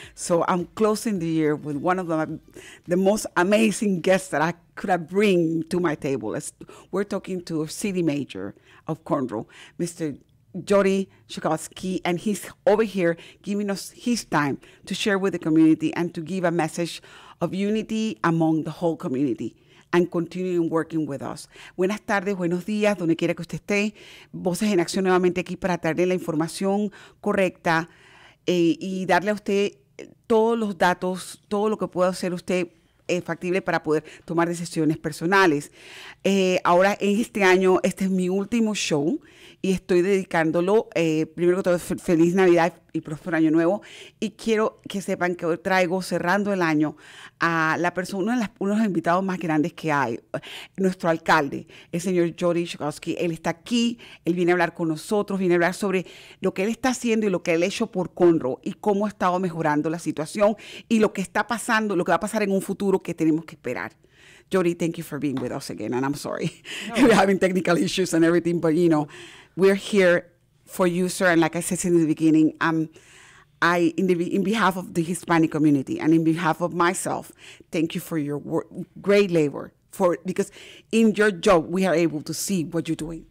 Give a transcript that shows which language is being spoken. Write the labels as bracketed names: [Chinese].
[English] So I'm closing the year with one of the most amazing guests that I could have bring to my table. We're talking to a city major of Conroe, Mr. Jody Czajkoski, and he's over here giving us his time to share with the community and to give a message of unity among the whole community and continuing working with us. [Spanish] Buenas tardes, buenos días, donde quiera que usted esté. Voces en Acción nuevamente aquí para traerle la información correcta y darle a usted todos los datos, todo lo que pueda hacer usted factible para poder tomar decisiones personales. Ahora, en este año, este es mi último show y estoy dedicándolo, primero que todo, feliz Navidad y próspero Año Nuevo. Y quiero que sepan que hoy traigo, cerrando el año, a la persona, uno de los invitados más grandes que hay, nuestro alcalde, el señor Jody Czajkoski. Él está aquí, él viene a hablar con nosotros, viene a hablar sobre lo que él está haciendo y lo que él ha hecho por Conroe y cómo ha estado mejorando la situación y lo que está pasando, lo que va a pasar en un futuro que tenemos que esperar. [English] Jody, thank you for being with us again, and I'm sorry. No. We're having technical issues and everything, but, you know, we're here for you, sir, and like I said in the beginning, in behalf of the Hispanic community and in behalf of myself, thank you for your great labor, because in your job, we are able to see what you're doing.